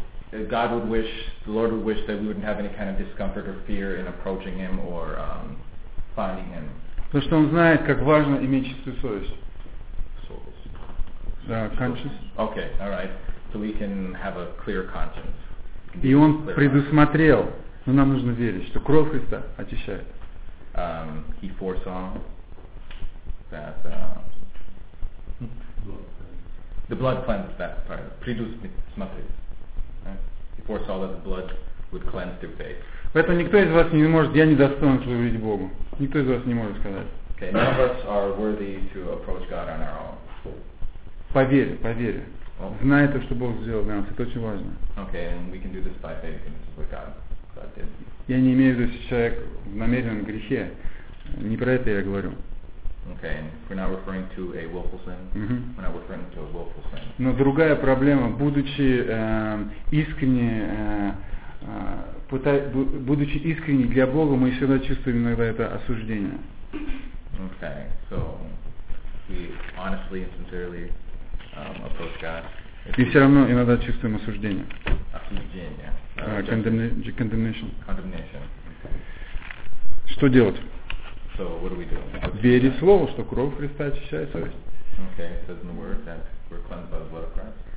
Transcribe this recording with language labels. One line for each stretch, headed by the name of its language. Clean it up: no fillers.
English: God would wish, the Lord would wish that we wouldn't have any kind of discomfort or fear in approaching Him or finding Him.
Russian: Потому что Он знает, как важно иметь чистую совесть.
English: Souls. Да, conscience. Okay, all right. So we can have a clear conscience.
Russian: И Он предусмотрел, но нам нужно верить, что кровь Христа очищает.
English: He foresaw that the blood cleanses that part.
Russian: Предусмотрел.
English: Foresaw that the blood would cleanse their faith.
Russian: Поэтому никто из вас не может, я не достоин служить Богу. Никто из вас не может сказать. Okay, none of us are worthy to approach God on our own. Поверь, поверь. Знай то, что Бог сделал для нас, это очень важно.
English: Okay, and we can do this by faith, and this is what God did.
Russian: Я не имею в виду, если человек в намеренном грехе, не про это я говорю.
English: Okay, and we're not referring to a willful sin. Mm-hmm. We're not referring to a willful sin.
Russian: Но другая проблема, будучи искренне будучи искренне для Бога, мы всегда чувствуем иногда это осуждение.
English: Okay, so we honestly and sincerely approach God.
Russian: И все равно иногда чувствуем осуждение. Осуждение.
English: Condemnation. Condemnation.
Russian: Okay. Что делать?
English: So what do we do? What's
Russian: верить слову, что кровь Христа очищает совесть.
English: Okay, it says in the word that we're cleansed by the blood of Christ.